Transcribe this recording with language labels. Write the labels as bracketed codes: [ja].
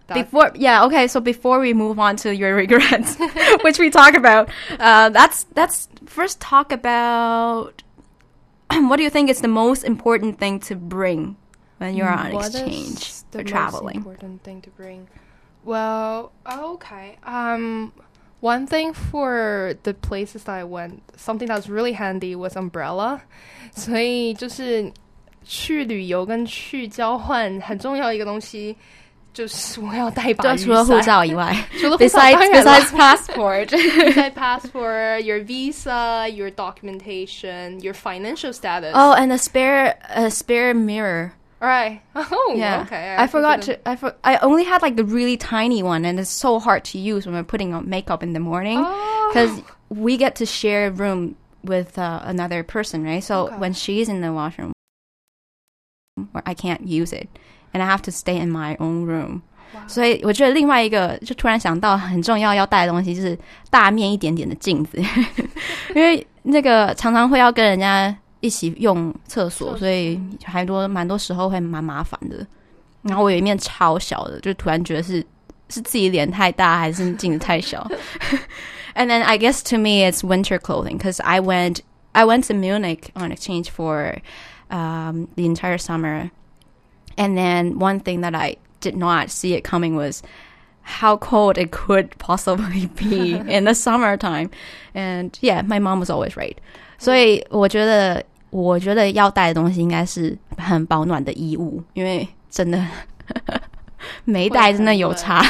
[en] Before we move on to your regrets, which we talk about, that's first talk about what do you think is the most important thing to bring when you're on exchange or traveling? What is the most important thing to bring? Well, okay. One thing for the places that I went, something that was really handy was umbrella. [zh] 所以就是去旅游跟去交换很重要一个东西就是我要带一把雨伞。除了护照以外。除了护照当然 [en] 了。Besides passport. Besides passport, your visa, your documentation, your financial status. Oh, and a spare mirror. Right. Oh, yeah. Okay. I only had like a really tiny one, and it's so hard to use when we're putting on makeup in the morning. Because、 oh. we get to share a room with、another person, right? So、 okay. when she's in the washroom, where I can't use it, and I have to stay in my own room. Wow. [zh] 所以我觉得另外一个就突然想到很重要要带的东西就是大面一点点的镜子，因为那个常常会要跟人家一起用厕所，所以还多蛮多时候会蛮麻烦的。然后我有一面超小的，就突然觉得是自己脸太大还是镜子太小。 [en] And then I guess to me it's winter clothing because I went to Munich on exchange for the entire summer. And then one thing that I did not see it coming was how cold it could possibly be in the summertime. And yeah, my mom was always right. [zh] 所以我觉得要带的东西应该是很保暖的衣物，因为真的没带真的有差。